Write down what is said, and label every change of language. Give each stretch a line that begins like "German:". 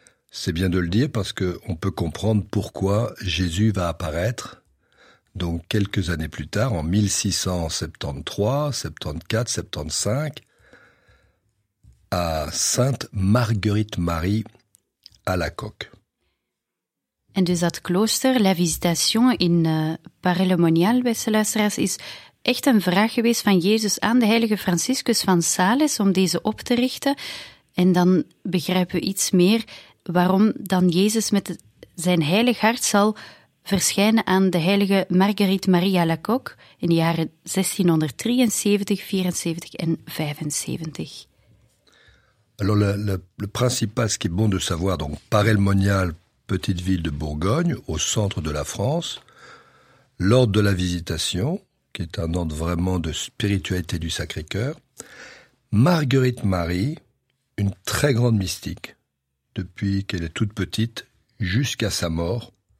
French: C'est bien de le dire parce qu'on peut comprendre pourquoi Jésus va apparaître, donc quelques années plus tard, en 1673, 74, 75, à Sainte Marguerite-Marie à la Coque.
Dutch: En dus dat klooster, la Visitation in Paray-le-Monial, beste luisteraars, is echt een vraag geweest van Jezus aan de heilige Franciscus van Sales om deze op te richten. En dan begrijpen we iets meer waarom dan Jezus met zijn heilig hart zal verschijnen aan de heilige Marguerite Maria Lacocque in de jaren 1673, 74 en 75.
French: Alors le principal, ce qui est bon de savoir, donc Paray-le-Monial, petite ville de Bourgogne, au centre de la France, l'ordre de la Visitation, qui est un ordre vraiment de spiritualité du Sacré-Cœur, Marguerite Marie, une très grande mystique, depuis qu'elle est toute petite, jusqu'à sa mort.